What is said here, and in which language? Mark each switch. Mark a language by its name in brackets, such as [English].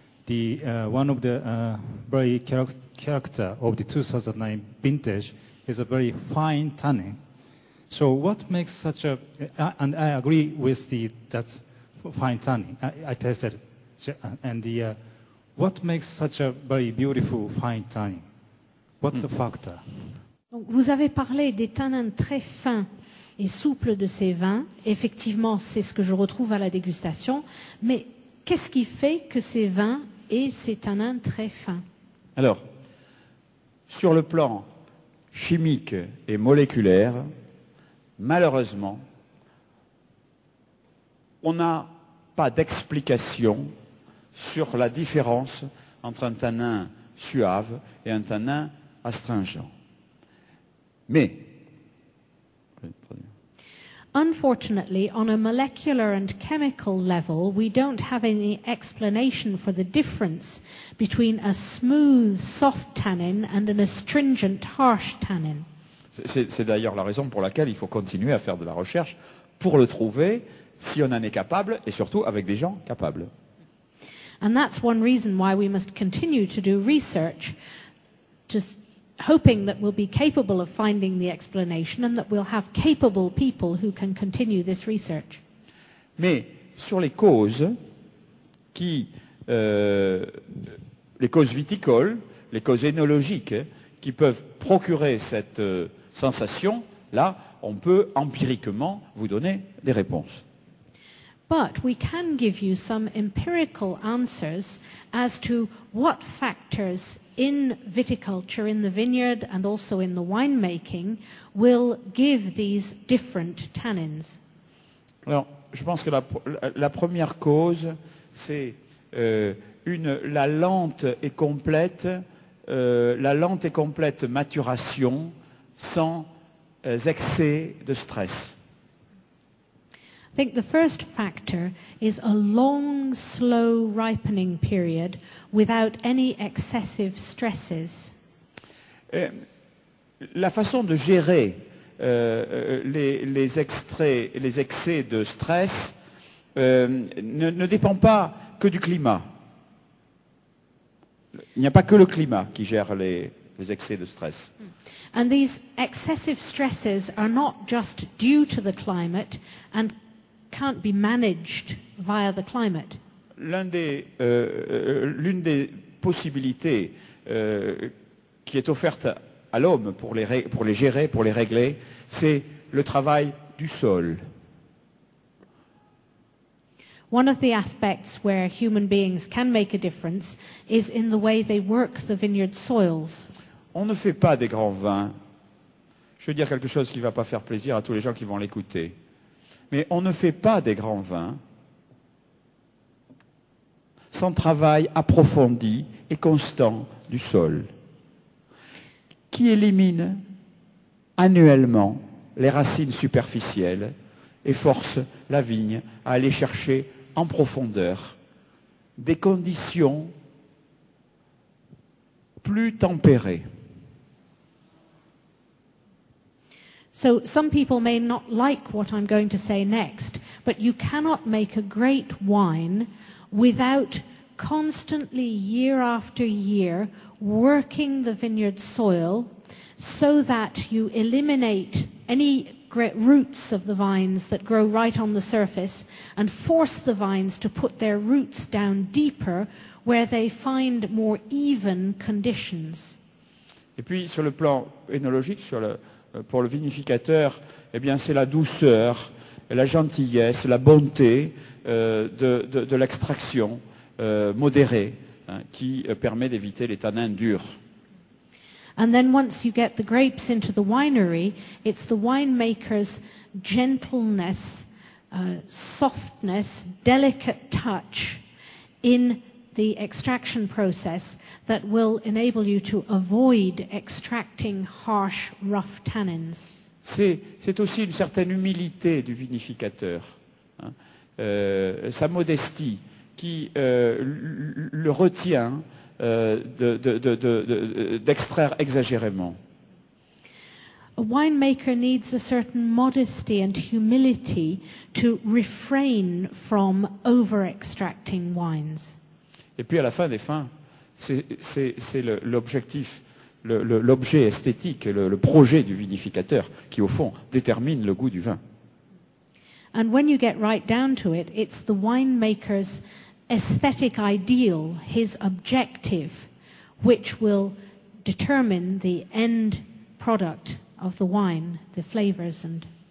[English] The one of the very character of the 2009 vintage is a very fine tannin. So what makes such a and I agree with the that fine tannin. I tested and the what makes such a very beautiful fine tannin? What's the factor? [French] Donc, vous avez parlé des tanins très fins et souples de ces vins. Effectivement, c'est ce que je retrouve à la dégustation. Mais qu'est-ce qui fait que ces vins aient ces tanins très fins? Alors, sur le plan chimique et moléculaire, malheureusement, on n'a pas d'explication sur la différence entre un tanin suave et un tanin astringent. Mais [English] unfortunately, on a molecular and chemical level, we don't have any explanation for the difference between a smooth, soft tannin and an astringent, harsh tannin. [French] C'est d'ailleurs la raison pour laquelle il faut continuer à faire de la recherche pour le trouver, si on en est capable, et surtout avec des gens capables. [English] And that's one reason why we must continue to do research, just hoping that we'll be capable of finding the explanation and that we'll have capable people who can continue this research. [French] Mais sur les causes qui les causes viticoles, les causes œnologiques qui peuvent procurer cette sensation, là, on peut empiriquement vous donner des réponses. [English] But we can give you some empirical answers as to what factors in viticulture, in the vineyard, and also in the winemaking, will give these different tannins. [French] Alors, je pense que la première cause, c'est la lente et complète maturation sans excès de stress. [English] I think the first factor is a long, slow ripening period without any excessive stresses. [French] La façon de gérer les excès de stress ne dépend pas que du climat. Il n'y a pas que le climat qui gère les excès de stress. [English] And these excessive stresses are not just due to the climate and can't be managed via the climate. [French] L'une des possibilités qui est offerte à l'homme pour les gérer, pour les régler, c'est le travail du sol. [English] One of the aspects where human beings can make a difference is in the way they work the vineyard soils. [French] On ne fait pas des grands vins. Je veux dire quelque chose qui ne va pas faire plaisir à tous les gens qui vont l'écouter. Mais on ne fait pas des grands vins sans travail approfondi et constant du sol, qui élimine annuellement les racines superficielles et force la vigne à aller chercher en profondeur des conditions plus tempérées. [English] So some people may not like what I'm going to say next, but you cannot make a great wine without constantly, year after year, working the vineyard soil so that you eliminate any great roots of the vines that grow right on the surface and force the vines to put their roots down deeper where they find more even conditions. [French] Et puis sur le plan œnologique, pour le vinificateur, eh bien, c'est la douceur, la gentillesse, la bonté de l'extraction modérée qui permet d'éviter les tanins durs. [English] And then once you get the grapes into the winery, it's the winemaker's gentleness, softness, delicate touch in the extraction process that will enable you to avoid extracting harsh, rough tannins. [French] C'est aussi une certaine humilité du vinificateur, sa modestie qui le retient d'extraire exagérément. [English] A winemaker needs a certain modesty and humility to refrain from over-extracting wines. [French] Et puis à la fin des fins, c'est l'objectif, l'objet esthétique, le projet du vinificateur qui, au fond, détermine le goût du vin. [English] And when you get right down to it, it's the winemaker's aesthetic ideal, his objective, which will determine the end product of the wine, the flavors and.